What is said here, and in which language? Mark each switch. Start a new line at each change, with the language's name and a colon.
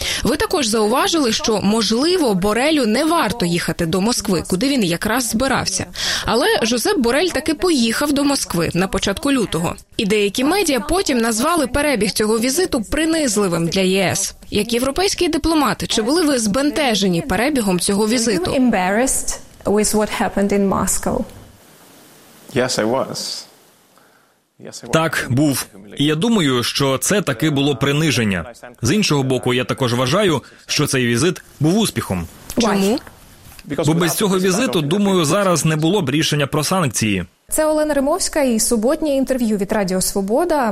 Ukrainian: Ви також зауважили, що, можливо, Борелю не варто їхати до Москви, куди він якраз збирався. Але Жозеп Борель таки поїхав до Москви на початку лютого. І деякі медіа потім назвали перебіг цього візиту принизливим для ЄС. Як європейський дипломат, чи були ви збентежені перебігом цього візиту?
English: With what happened in Moscow. Yes, I was.
Ukrainian: Так, був. І я думаю, що це таки було приниження. З іншого боку, я також вважаю, що цей візит був успіхом. Чому? Бо без цього візиту, думаю, зараз не було б рішення про санкції. Це Олена Римовська і суботнє інтерв'ю від Радіо Свобода.